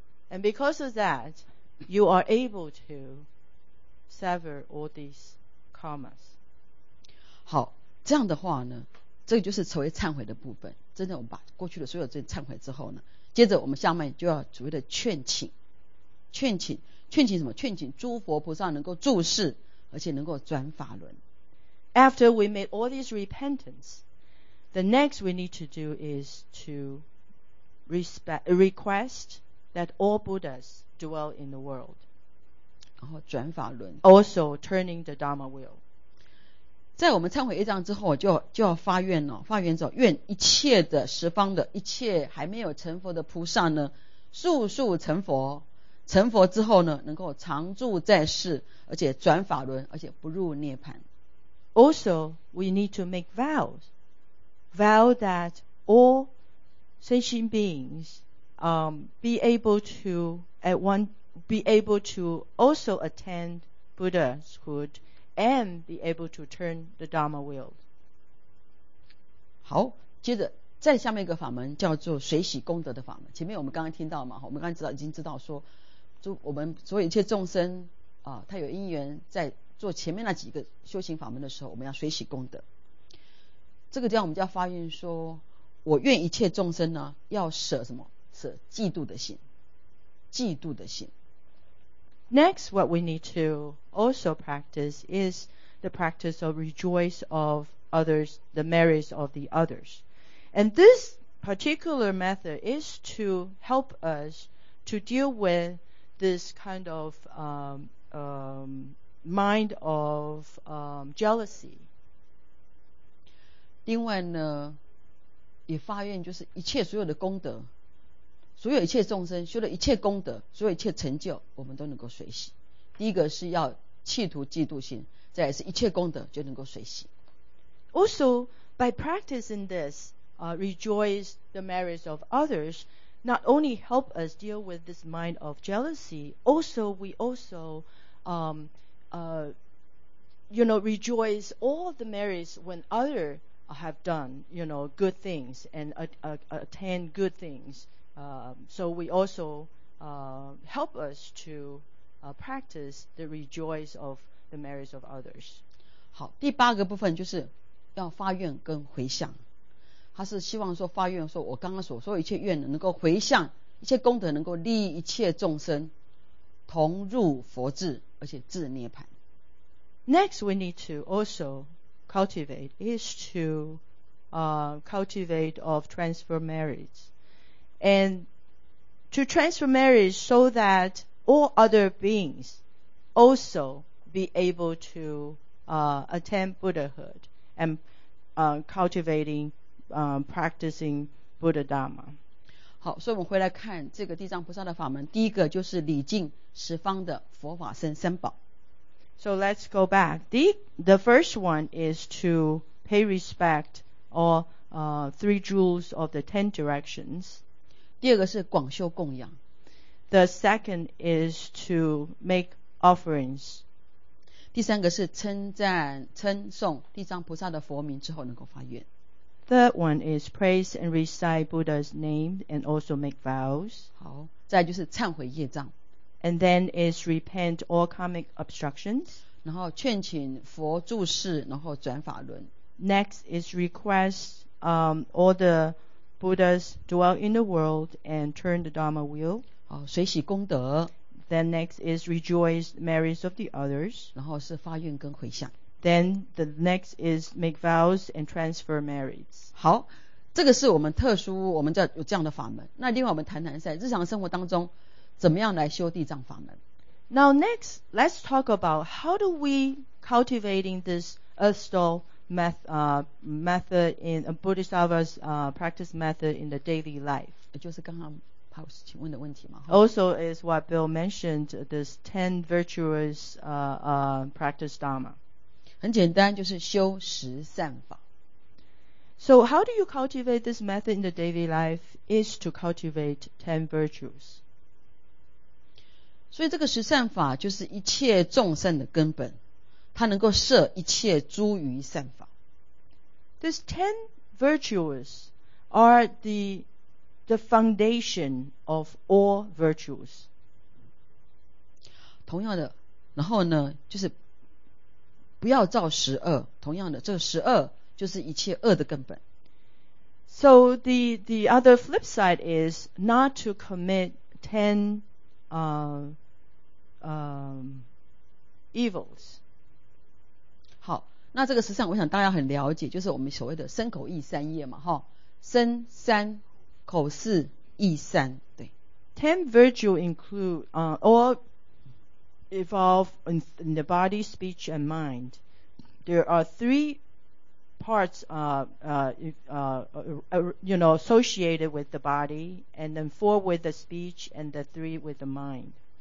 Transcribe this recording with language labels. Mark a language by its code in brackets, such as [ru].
[en] And because of that, you are able to sever all these karmas. [zh] 好，这样的话呢，这个就是所谓忏悔的部分。真的，我们把过去的所有罪忏悔之后呢，接着我们下面就要所谓的劝请，劝请，劝请什么？劝请诸佛菩萨能够住世，而且能够转法轮。 [en] After we made all these repentance, the next we need to do is to request that all Buddhas dwell in the world. [zh] 然后转法轮。 [en] Also turning the Dharma wheel. [zh] 在我们忏悔业障之后，就要发愿了、哦。发愿之后，愿一切的十方的一切还没有成佛的菩萨呢，速速成佛。成佛之后呢，能够常住在世，而且转法轮，而且不入涅槃。 [en] Also, we need to make vows. Vow that all sentient beings be able to at one be able to also attend Buddhahood. And be able to turn the Dharma wheel. [zh] 好，接着再下面一个法门叫做随喜功德的法门。前面我们刚刚听到嘛，我们刚刚已经知道说，就我们所有一切众生啊，他有因缘在做前面那几个修行法门的时候，我们要随喜功德。这个地方我们就要发愿说，我愿一切众生呢，要舍什么？舍嫉妒的心，嫉妒的心。 [en] Next, what we need to also practice is the practice of rejoice of others, the merits of the others. And this particular method is to help us to deal with this kind of mind of jealousy. [zh] 另外呢，也发愿就是一切所有的功德。所有一切众生修了一切功德，所有一切成就，我们都能够随喜。第一个是要弃除嫉妒心，再来是一切功德就能够随喜。 [en] Also, by practicing this, rejoice the merits of others, not only help us deal with this mind of jealousy, also we also, you know, rejoice all the merits when others have done, you know, good things and attain good things. So we also help us to practice the rejoice of the merits of others. [zh] 好，第八个部分就是要发愿跟回向。他是希望说发愿说，我刚刚所说一切愿能够回向，一切功德能够利益一切众生，同入佛智，而且智涅槃。 [en] Next, we need to also cultivate is to cultivate of transfer merits. And to transfer marriage so that all other beings also be able to attain Buddhahood and cultivating, practicing Buddha Dharma. [zh] 好，所以我们回来看这个地藏菩萨的法门，第一个就是礼敬十方的佛法僧三宝。 [en] So let's go back. The first one is to pay respect or three jewels of the ten directions. [zh] 第二个是广修供养。 [en] The second is to make offerings. [zh] 第三个是称赞称颂地藏菩萨的佛名之后能够发愿。 [en] Third one is praise and recite Buddha's name and also make vows. [zh] 好，再来就是忏悔业障。 [en] And then is repent all karmic obstructions. [zh] 然后劝请佛住世，然后转法轮。 [en] Next is request all the Buddhas dwell in the world and turn the Dharma wheel. [zh] 好，随喜功德。 [en] Then next is rejoice merits of the others. [zh] 然后是发愿跟回向。 [en] Then the next is make vows and transfer merits. [zh] 好，这个是我们特殊，我们在有这样的法门。那另外我们谈谈在日常生活当中，怎么样来修地藏法门。 [en] Now next, let's talk about how do we cultivating this earth stall method in a Bodhisattva's practice method in the daily life. [zh] 就是刚刚 Pause 请问的问题嘛。 [en] Also is what Bill mentioned, this 10 virtuous practice dharma. [zh] 很简单，就是修十善法。 [en] So how do you cultivate this method in the daily life? Is to cultivate 10 virtues. [zh] 所以这个十善法就是一切众善的根本，它能够摄一切诸余善法。 [en] These 10 virtues are the foundation of all virtues. [zh] 同样的，然后呢，就是不要造十恶，同样的，这十恶就是一切恶的根本。 [en] So the other flip side is not to commit ten evils. [zh] 好，那这个实际上我想大家很了解，就是我们所谓的身口意三业嘛，哈，身三口四意三，对。 [en] Ten virtue include all evolve in the body, speech, and mind. There are three parts, associated with the body, and then four with the speech, and the three with the mind.